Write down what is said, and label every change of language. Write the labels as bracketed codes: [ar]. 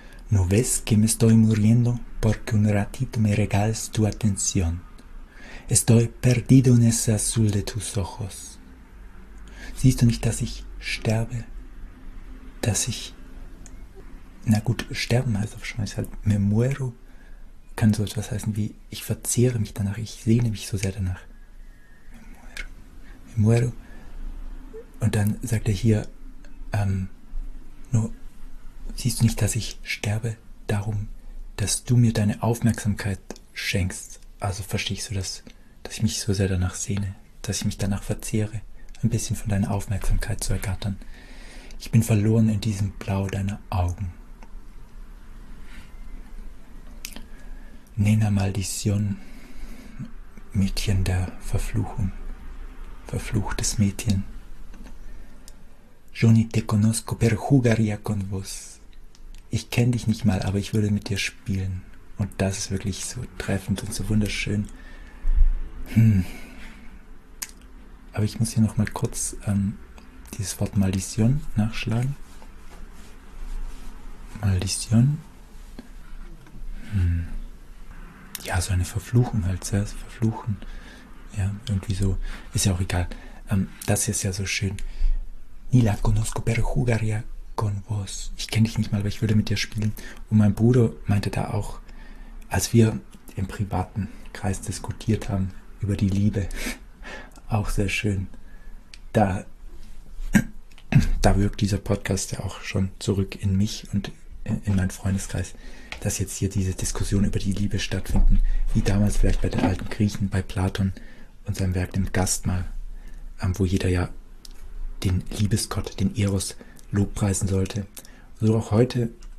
[es] ¿No ves que me estoy muriendo porque un ratito me regales tu atención? Estoy perdido en ese azul de tus ojos. [de] Siehst du nicht, dass ich sterbe? Dass ich, na gut, sterben heißt auf Spanisch halt, [es] me muero, [de] kann so etwas heißen wie ich verzehre mich danach, ich sehne mich so sehr danach. [es] Me muero. [de] Und dann sagt er hier, nur siehst du nicht, dass ich sterbe, darum, dass du mir deine Aufmerksamkeit schenkst. Also verstehst du das, dass ich mich so sehr danach sehne, dass ich mich danach verzehre, ein bisschen von deiner Aufmerksamkeit zu ergattern. Ich bin verloren in diesem Blau deiner Augen. [es] Nena Maldición, [de] Mädchen der Verfluchung, verfluchtes Mädchen. [es] Yo ni te conozco, pero jugaría con vos. [de] Ich kenne dich nicht mal, aber ich würde mit dir spielen. Und das ist wirklich so treffend und so wunderschön. Aber ich muss hier noch mal kurz dieses Wort Maldición nachschlagen. [es] Maldición. [de] Ja, so eine Verfluchung halt, sehr verfluchen. Ja, irgendwie so. Ist ja auch egal. Das hier ist ja so schön. [es] Ni la conozco, pero jugaría con vos. [de] Ich kenne dich nicht mal, aber ich würde mit dir spielen. Und mein Bruder meinte da auch, als wir im privaten Kreis diskutiert haben über die Liebe, auch sehr schön. Da wirkt dieser Podcast ja auch schon zurück in mich und in meinen Freundeskreis, dass jetzt hier diese Diskussion über die Liebe stattfinden, wie damals vielleicht bei den alten Griechen, bei Platon und seinem Werk dem Gastmahl, wo jeder ja den Liebesgott, den Eros, lobpreisen sollte. So auch heute.